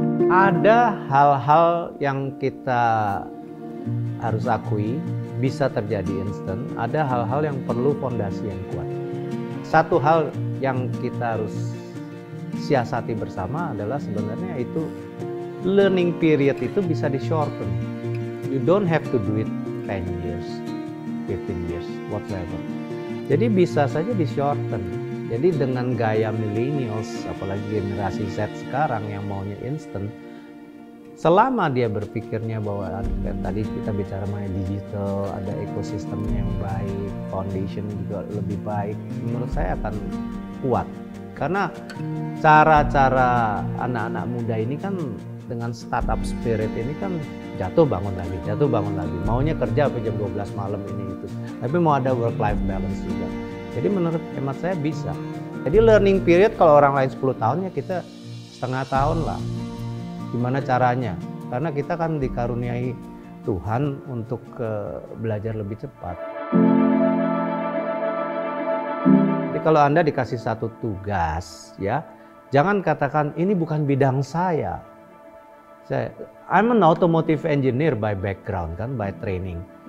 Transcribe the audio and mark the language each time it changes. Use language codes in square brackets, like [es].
[id] Ada hal-hal yang kita harus akui bisa terjadi instant, ada hal-hal yang perlu fondasi yang kuat. Satu hal yang kita harus siasati bersama adalah sebenarnya itu learning period itu bisa di shorten. [en] You don't have to do it 10 years, 15 years, whatever. [id] Jadi bisa saja di shorten. Jadi dengan gaya millennials, apalagi generasi Z sekarang yang maunya instant, selama dia berpikirnya bahwa tadi kita bicara mengenai digital, ada ekosistemnya yang baik, foundation juga lebih baik, menurut saya akan kuat. Karena cara-cara anak-anak muda ini kan dengan startup spirit ini kan jatuh bangun lagi, maunya kerja sampai jam 12 malam ini itu. Tapi mau ada work-life balance juga. Jadi menurut hemat saya bisa. Jadi learning period kalau orang lain 10 tahun ya kita setengah tahun lah. Gimana caranya? Karena kita kan dikaruniai Tuhan untuk belajar lebih cepat. Jadi kalau Anda dikasih satu tugas, ya jangan katakan ini bukan bidang saya. [en] I'm an automotive engineer by background kan, by training.